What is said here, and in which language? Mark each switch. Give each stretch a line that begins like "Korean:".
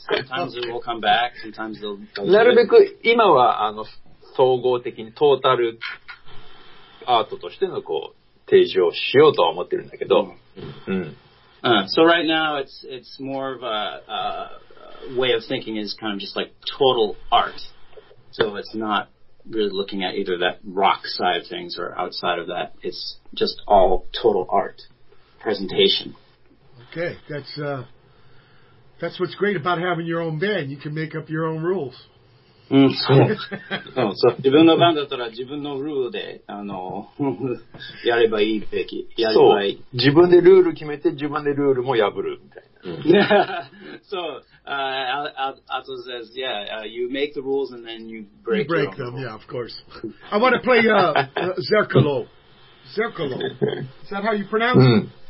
English: Sometimes it will come back, sometimes they'll...
Japanese: なるべく今はあの総合的にトータルアートとしてのこう、提示をしようとは思ってるんだけど、うん。
English: So right now it's more of a way of thinking is kind of just like total art. So it's not really looking at either that rock side of things or outside of that. It's just all total art presentation. Okay, that's what's great about having your own band. You can make up your own rules.
Japanese: うん、そう。そう。自分の番だったら自分のルールで、あの、やればいいべき。やればいい。そう。自分でルール決めて、自分でルールも破る、みたいな。そう。
English: Atsuo says, yeah, you make the rules and then you break them. Break them, yeah, of course. I want to play, Zercolo. Zercolo. Is that how you pronounce it?